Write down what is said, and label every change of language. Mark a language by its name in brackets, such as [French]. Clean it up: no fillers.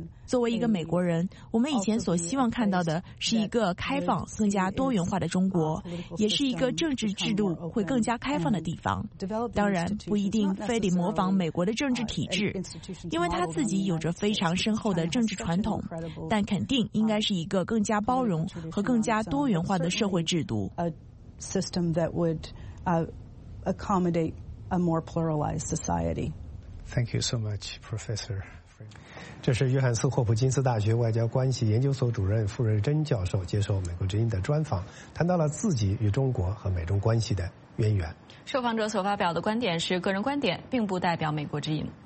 [Chinese] 作为一个美国人，我们以前所希望看到的是一个开放更加多元化的中国，也是一个政治制度会更加开放的地方。当然不一定非得模仿美国的政治体制，因为他自己有着非常深厚的政治传统，但肯定应该是一个更加包容和更加多元化的社会制度。 [English] A system that would accommodate a more pluralized society. Thank you so much, Professor. [Chinese] 这是约翰斯霍普金斯大学外交关系研究所主任傅瑞珍教授接受美国之音的专访，谈到了自己与中国和美中关系的渊源。受访者所发表的观点是个人观点，并不代表美国之音。